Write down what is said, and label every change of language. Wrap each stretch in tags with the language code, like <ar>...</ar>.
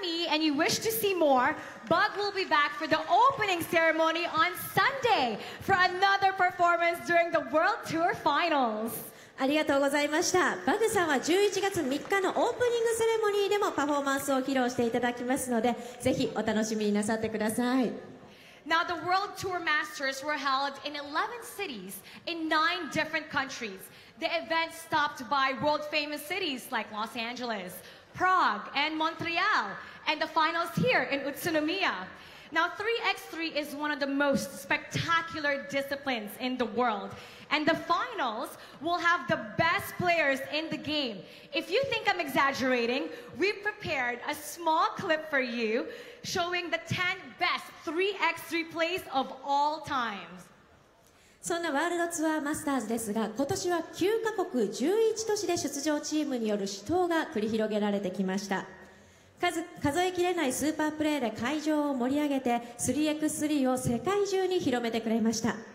<en>And you wish to see more, Bug will be back for the opening ceremony on Sunday for another performance during the World Tour Finals.</en> <ja>ありがとうございました。バグさんは11月3日のオープニングセレモニーでもパフォーマンスを披露していただきますので、ぜひお楽しみになさってください。</ja> <en>Now, the World Tour Masters were held in 11 cities in 9 different countries. The event stopped by world-famous cities like Los Angeles, Prague, and Montreal. And the finals here in Utsunomiya. Now, 3x3 is one of the most spectacular disciplines in the world. And the finals will have the best players in the game. If you think I'm exaggerating, we prepared a small clip for you showing the 10 best 3x3 plays of all times.</en> <ja>そんなワールドツアーマスターズですが、今年は9カ国11都市で出場チームによる死闘が繰り広げられてきました。数えきれないスーパープレーで会場を盛り上げて 3x3 を世界中に広めてくれました。</ja>